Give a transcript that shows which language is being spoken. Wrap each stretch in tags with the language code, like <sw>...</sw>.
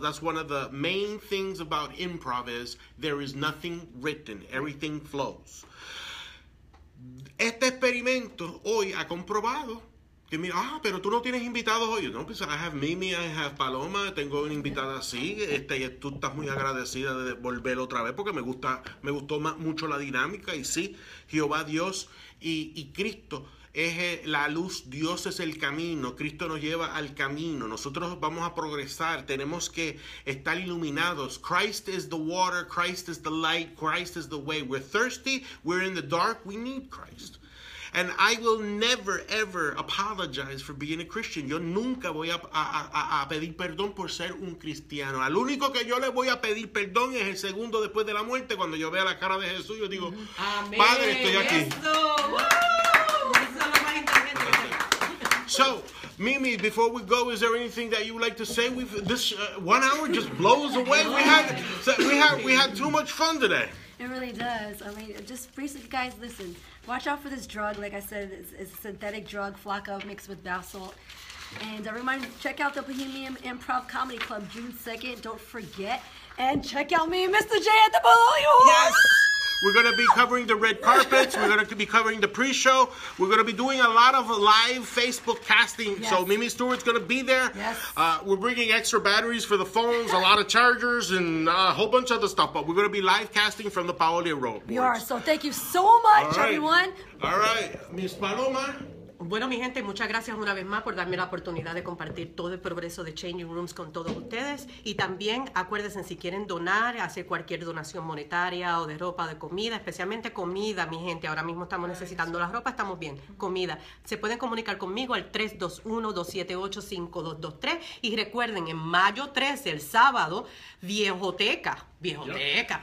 <en>That's one of the main things about improv is there is nothing written. Everything flows.</en> <es>Este experimento hoy ha comprobado que mira, pero tú no tienes invitados hoy.</es> <en>No, pues I have Mimi, I have Paloma,</en> <es>tengo una invitada así. Y tú estás muy agradecida de volver otra vez porque me gustó mucho la dinámica. Y sí, Jehová Dios... Y Cristo es la luz, Dios es el camino, Cristo nos lleva al camino, nosotros vamos a progresar, tenemos que estar iluminados.</es> <en>Christ is the water, Christ is the light, Christ is the way. We're thirsty, we're in the dark, we need Christ. And I will never ever apologize for being a Christian.</en> <es>Yo nunca voy a pedir perdón por ser un cristiano. Al único que yo le voy a pedir perdón es el segundo después de la muerte, cuando yo vea la cara de Jesús, yo digo, amén. Padre, estoy aquí. Eso. Wow. Eso es lo más inteligente.</es> <en>So, Mimi, before we go, is there anything that you would like to say? This 1 hour just blows away. We had too much fun today. It really does. I mean, just basically, guys, listen. Watch out for this drug. Like I said, it's a synthetic drug, flaca mixed with bath salt. And everyone, check out the Bohemian Improv Comedy Club June 2nd. Don't forget. And check out me, Mr. J, at the Bologna. Yes. We're going to be covering the red carpets. We're going to be covering the pre-show. We're going to be doing a lot of live Facebook casting. Yes. So Mimi Stewart's going to be there. Yes. We're bringing extra batteries for the phones, a lot of chargers, and a whole bunch of other stuff. But we're going to be live casting from the Paolia Road. We are. So thank you so much, all right. Everyone. All right. Miss Paloma.</en> <es>Bueno, mi gente, muchas gracias una vez más por darme la oportunidad de compartir todo el progreso de Changing Rooms con todos ustedes. Y también acuérdense, si quieren donar, hacer cualquier donación monetaria o de ropa, de comida, especialmente comida, mi gente. Ahora mismo estamos necesitando la ropa, estamos bien. Comida. Se pueden comunicar conmigo al 321-278-5223. Y recuerden, en mayo 13, el sábado, Viejoteca. Biblioteca.</es>